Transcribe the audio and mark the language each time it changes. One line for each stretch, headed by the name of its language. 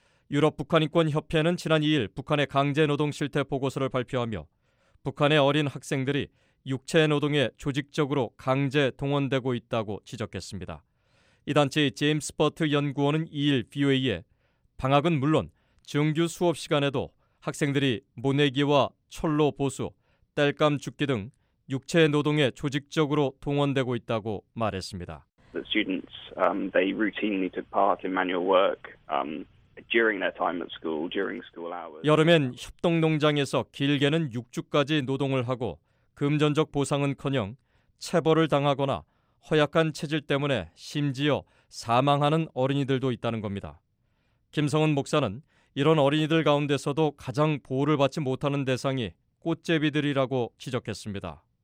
Korean: 유럽 북한인권협회는 지난 2일 북한의 강제노동 실태 보고서를 발표하며 북한의 어린 학생들이 육체노동에 조직적으로 강제 동원되고 있다고 지적했습니다. 이 단체의 제임스 버트 연구원은 2일 VOA에 방학은 물론 정규 수업 시간에도 학생들이 모내기와 철로 보수, 땔감 죽기 등 육체 노동에 조직적으로 동원되고 있다고 말했습니다.
English: The students, they routinely took part in manual work during their time at school, during school hours.
Korean: 여름엔 협동 농장에서 길게는 6주까지 노동을 하고 금전적 보상은커녕 체벌을 당하거나 허약한 체질 때문에 심지어 사망하는 어린이들도 있다는 겁니다. 김성은 목사는 이런 어린이들 가운데서도 가장 보호를 받지 못하는 대상이 꽃제비들이라고 지적했습니다.